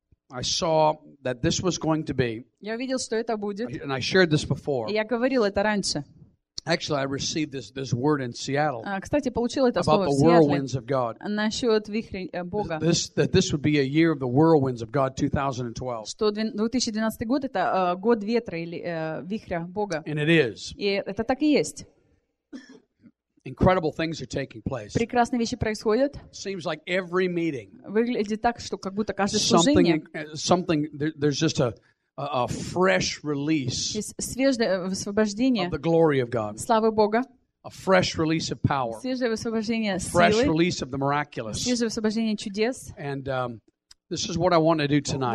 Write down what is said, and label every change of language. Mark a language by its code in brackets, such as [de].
[en] I saw that this was going to be, [ru] я увидел, что это будет, [en] and I shared this before. [ru] И я говорил это раньше. [en] Actually, I received this word in Seattle. [ru] Кстати, получил это [en] about [ru] слово [en] the whirlwinds of God. [ru] Насчет вихрей Бога. [en] This would be a year of the whirlwinds of God, 2012. [ru] Что 2012 год это год ветра или вихря Бога. [en] And it is. [ru] И это так и есть. [en] Incredible things are taking place. [ru] Прекрасные вещи происходят. [en] Seems like every meeting. [ru] Выглядит так, что как будто каждое служение. [en] Something. There's just a fresh release. [ru] Свежее высвобождение. [en] Of the glory of God. [ru] Славы Бога. [en] A fresh release of power. [ru] Свежее высвобождение силы. [en] Fresh release of the miraculous. [ru] Свежее высвобождение чудес. [en] And this is what I want to do tonight.